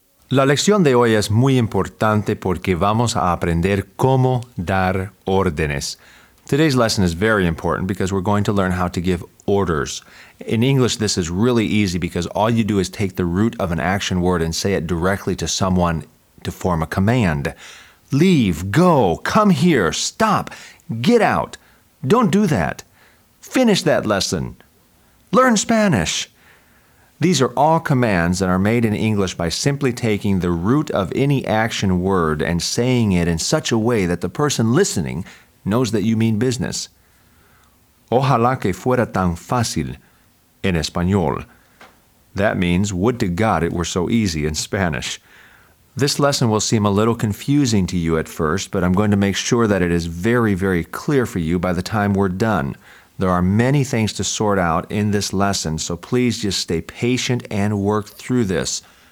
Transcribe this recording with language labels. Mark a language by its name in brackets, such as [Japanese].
[Spanish] La lección de hoy es muy importante porque vamos a aprender cómo dar órdenes. [English] Today's lesson is very important because we're going to learn how to give orders. In English, this is really easy because all you do is take the root of an action word and say it directly to someone to form a command. Leave, go, come here, stop, get out. Don't do that. Finish that lesson. Learn Spanish. These are all commands that are made in English by simply taking the root of any action word and saying it in such a way that the person listening knows that you mean business. [Spanish] Ojalá que fuera tan fácil en español. [English] That means, would to God it were so easy in Spanish. This lesson will seem a little confusing to you at first, but I'm going to make sure that it is very, very clear for you by the time we're done. There are many things to sort out in this lesson, so please just stay patient and work through this.